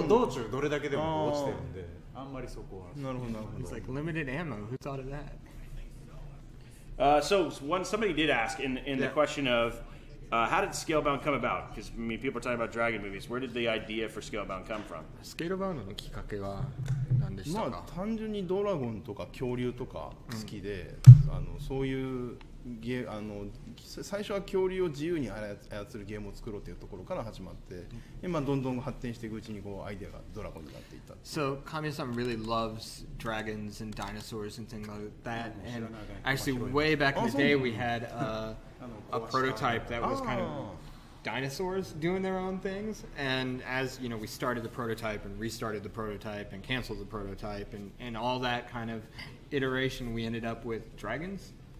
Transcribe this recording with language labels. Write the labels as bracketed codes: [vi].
[en] middle, there's a lot of bullets. He's like, limited ammo. Who thought of that? Somebody did ask in the question of, how did Scalebound come about? Because I mean, people are talking about Dragon movies. Where did the idea for Scalebound come from? [ja] Scalebound のきっかけは何でしたか？まあ、単純にドラゴンとか恐竜とか好きで、あの、そういう最初は恐竜を自由に操るゲームを作ろうというところから始まって、今、どんどん発展していくうちにこうアイデアがドラゴンになっていった。 [en] So, Kamiya-san really loves dragons and dinosaurs and things like that. And actually, way back in the day, we had a prototype that was kind of dinosaurs doing their own things. And as you know, we started the prototype and restarted the prototype and canceled the prototype and all that kind of iteration, we ended up with dragons.